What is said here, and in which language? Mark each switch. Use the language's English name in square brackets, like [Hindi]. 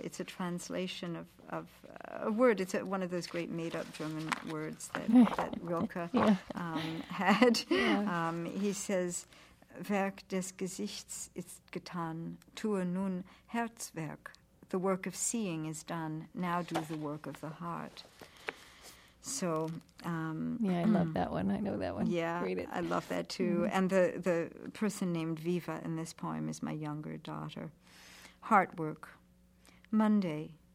[English] It's a translation of a word. It's one of those great made-up German words that Rilke had. Yeah. He says, [German] Werk des Gesichts ist getan, tue nun Herzwerk. [English] The work of seeing is done, now do the work of the heart. So, yeah, I love that one. I know that one. Yeah, read it. I love that too. Mm-hmm. And the person named Viva in this poem is my younger daughter. Heartwork. Monday.